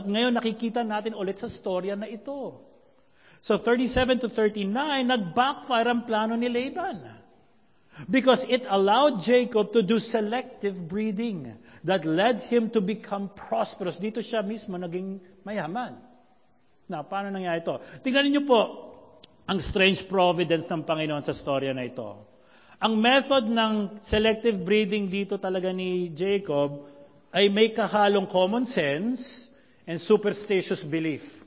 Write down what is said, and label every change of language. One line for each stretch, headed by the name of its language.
Filipino: At ngayon, nakikita natin ulit sa storya na ito. So 37 to 39, nag-backfire ang plano ni Laban.
English: Because it allowed Jacob to do selective breeding that led him to become prosperous.
Filipino: Dito siya mismo naging mayaman. Now, paano nangyari ito? Tingnan niyo po ang
English: strange providence
Filipino: ng Panginoon sa storya na ito. Ang method ng selective breeding dito talaga ni Jacob ay may kahalong
English: common sense and superstitious belief.